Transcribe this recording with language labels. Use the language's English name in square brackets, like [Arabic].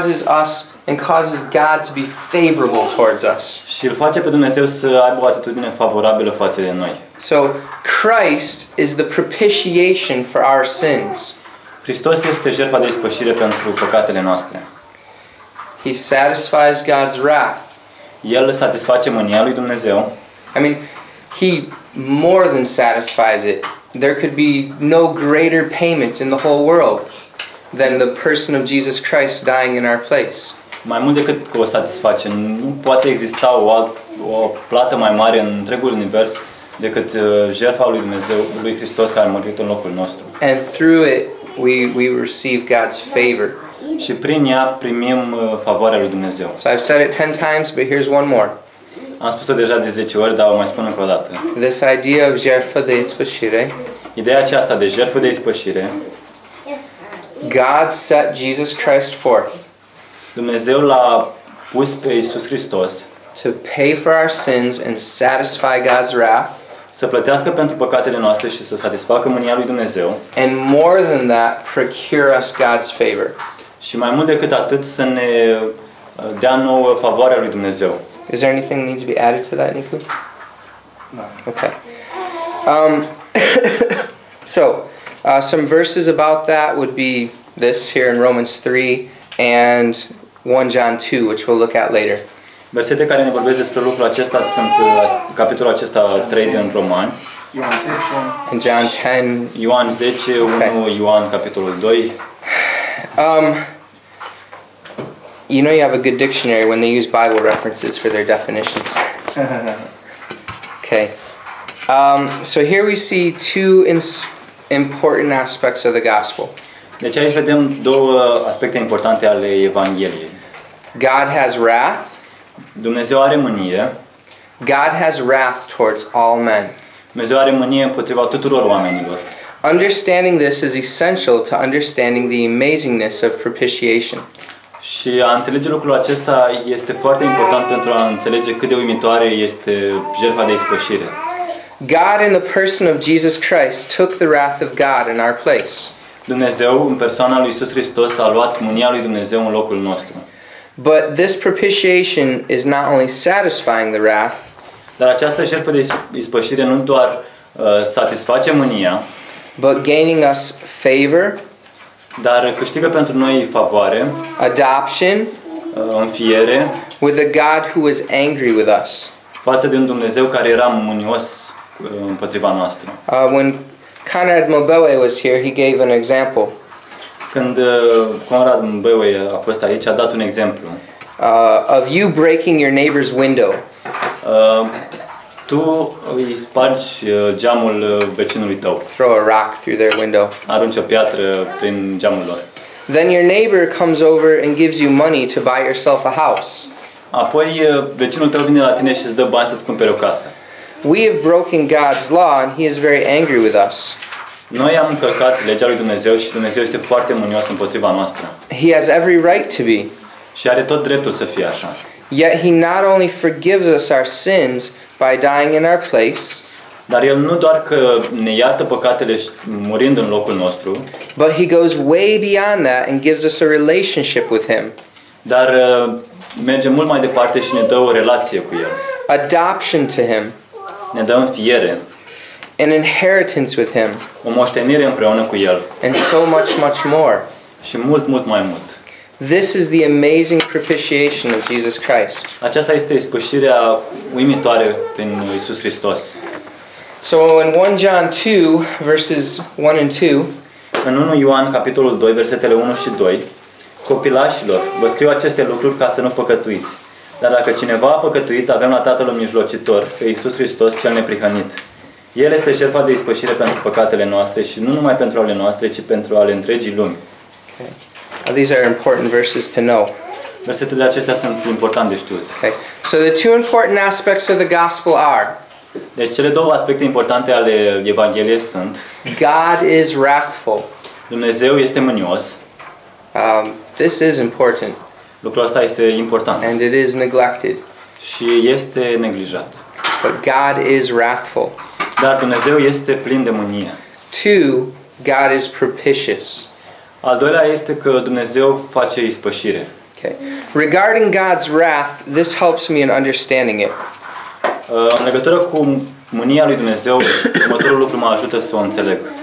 [English] And causes God to be favorable towards us. [Romanian] Și îl face pe Dumnezeu să aibă o atitudine favorabilă față de noi. [English] So Christ is the propitiation for our sins. [Romanian] Hristos este jertfa de ispășire pentru păcatele noastre. [English] He satisfies God's wrath. [Romanian] El satisface mânia lui Dumnezeu. [English] I mean, he more than satisfies it. There could be no greater payment in the whole world than the person of Jesus Christ dying in our place. [Romanian] Mai mult decât că o satisface, nu poate exista o plată mai mare în întregul univers decât jertfa lui Dumnezeu, lui Hristos, care a murit în locul nostru. [English] And through it we receive God's favor. [Romanian] Și prin ea primim favoarea lui Dumnezeu. [English] So I've said it 10 times, but here's one more. [Romanian] Am spus-o deja de 10 ori, dar o mai spun încă o dată. [English] This idea of [Romanian] jertfă de ispășire. Ideea aceasta de jertfă de ispășire. [English] God set Jesus Christ forth. [Romanian] Dumnezeu l-a pus pe Iisus Hristos [English] to pay for our sins and satisfy God's wrath. [Romanian] Să plătească pentru păcatele noastre și să satisfacă mânia lui Dumnezeu. [English] And more than that, procure us God's favor. [Romanian] Și mai mult decât atât, să ne dea nouă favoarea lui Dumnezeu. [English] Is there anything that needs to be added to that, Nicu? No. Okay. some verses about that would be this here in Romans 3 and 1 John 2, which we'll look at later. [Romanian] Versete care ne vorbesc despre lucrul acesta sunt capitolul acesta 3 din Romani. Ioan 10. [English] And John 10. [Romanian] Ioan 10, 1 Ioan capitolul 2. [English] You know you have a good dictionary when they use Bible references for their definitions. Okay. So here we see two important aspects of the gospel. [Romanian] Deci aici vedem două aspecte importante ale Evangheliei. [English] God has wrath. [Romanian] Dumnezeu are mânie. [English] God has wrath towards all men. [Romanian] Dumnezeu are mânie împotriva tuturor oamenilor. [English] Understanding this is essential to understanding the amazingness of propitiation. [Romanian] Și a înțelege lucrul acesta este foarte important pentru a înțelege cât de uimitoare este jertfa de ispășire. [English] God in the person of Jesus Christ took the wrath of God in our place. [Romanian] Dumnezeu în persoana lui Iisus Hristos a luat mânia lui Dumnezeu în locul nostru. [English] But this propitiation is not only satisfying the wrath. [Romanian] Dar această jertfă de ispășire nu doar satisface mânia, [English] but gaining us favor. [Romanian] Dar câștigă pentru noi favoare. [English] Adoption. [Romanian] Înfiere. [English] With a God who is angry with us. [Romanian] Față de un Dumnezeu care era mânios împotriva noastră. [English] When Conrad Mbewe was here, he gave an example. [Romanian] Când Conrad Mbewe a fost aici, a dat un exemplu. [English] Of you breaking your neighbor's window. [Romanian] Tu îi spargi geamul vecinului tău. [English] Throw a rock through their window. [Romanian] Arunci o piatră prin geamul lor. [English] Then your neighbor comes over and gives you money to buy yourself a house. [Romanian] Apoi vecinul tău vine la tine și îți dă bani să-ți cumpere o casă. [English] We have broken God's law and he is very angry with us. [Romanian] Noi am încălcat legea lui Dumnezeu și Dumnezeu este foarte mânios împotriva noastră. [English] He has every right to be. [Romanian] Și are tot dreptul să fie așa. [English] Yet he not only forgives us our sins by dying in our place. [Romanian] Dar el nu doar că ne iartă păcatele murind în locul nostru. [English] But he goes way beyond that and gives us a relationship with him. [Romanian] Dar merge mult mai departe și ne dă o relație cu el. [English] Adoption to him. [Romanian] Ne dă înfiere. [English] An inheritance with him. [Romanian] O moștenire împreună cu el. [English] And so much, much more. [Romanian] Și mult, mult mai mult. [English] This is the amazing propitiation of Jesus Christ. [Romanian] Aceasta este ispășirea uimitoare prin Iisus Hristos. [English] So in 1 John 2 verses 1 and 2, [Romanian] în 1 Ioan capitolul 2 versetele 1 și 2, copilașilor, vă scriu aceste lucruri ca să nu păcătuiți. Dar dacă cineva a păcătuit, avem la Tatăl un mijlocitor, pe Iisus Hristos cel neprihănit. El este jertfa de ispășire pentru păcatele noastre și nu numai pentru ale noastre, ci pentru ale întregii lumi. [English] Okay. These are important verses to know. [Romanian] Versetele acestea sunt importante de știut. [English] Okay. So the two important aspects of the gospel are. [Romanian] Deci cele două aspecte importante ale Evangheliei sunt. [English] God is wrathful. [Romanian] Dumnezeu este mânios. [English] This is important. [Romanian] Lucrul ăsta este important. [English] And it is neglected. [Romanian] Și este neglijat. [English] But God is wrathful. [Romanian] Dar Dumnezeu este plin de mânie. [English] Two, God is propitious. [Romanian] Al doilea este că Dumnezeu face ispășire. [English] Okay. Regarding God's wrath, this helps me in understanding it. [Romanian] În legătură cu mânia lui Dumnezeu, următorul lucru mă ajută să o înțeleg.